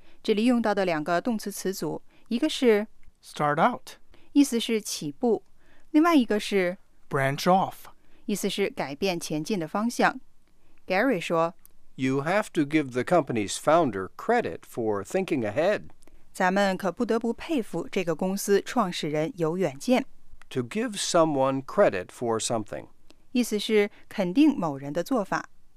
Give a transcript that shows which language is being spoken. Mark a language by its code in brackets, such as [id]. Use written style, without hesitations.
[zh] 这里用到的两个动词词组，一个是 [en] start out， [zh] 意思是起步，另外一个是 [en] branch off， [zh] 意思是改变前进的方向。 Gary 说， [en] You have to give the company's founder credit for thinking ahead. [zh] 咱们可不得不佩服这个公司创始人有远见。 [en] To give someone credit for something， [zh] 意思是肯定某人的做法。